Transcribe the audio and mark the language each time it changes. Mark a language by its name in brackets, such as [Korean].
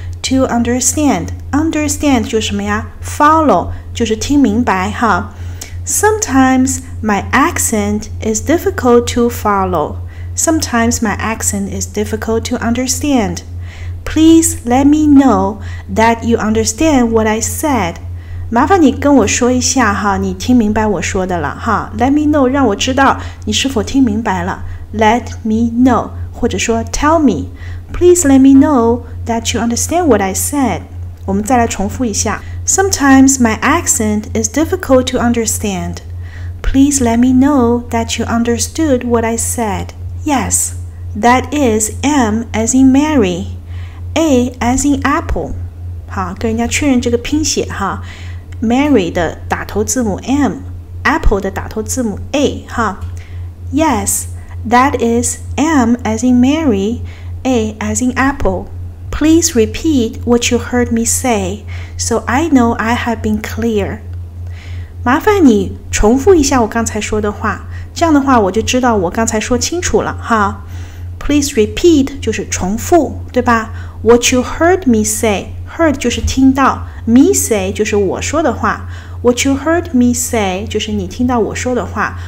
[English] to understand, understand [Chinese] 就是什么呀？follow 就是听明白哈。 [English] Sometimes my accent is difficult to follow. Sometimes my accent is difficult to understand. Please let me know that you understand what I said. [Chinese] 麻烦你跟我说一下哈，你听明白我说的了哈。 [English] Let me know, [Chinese] 让我知道你是否听明白了。Let me know, 或者说 [English] tell me. Please let me know that you understand what I said. [Chinese] 我们再来重复一下。 [English] Sometimes my accent is difficult to understand. Please let me know that you understood what I said. Yes, that is M as in Mary, A as in apple. [Chinese] 好，跟人家确认这个拼写哈。 Mary 的打头字母 M, Apple 的打头字母 A, 哈。 [English] Yes, that is M as in Mary, A as in Apple. Please repeat what you heard me say, so I know I have been clear. [Chinese] 麻烦你重复一下我刚才说的话，这样的话我就知道我刚才说清楚了哈。 [English] Please repeat [Chinese] 就是重复，对吧？ [English] What you heard me say, heard [Chinese] 就是听到。 [English] Me say [Chinese] 就是我说的话。 [English] What you heard me say [Chinese] 就是你听到我说的话。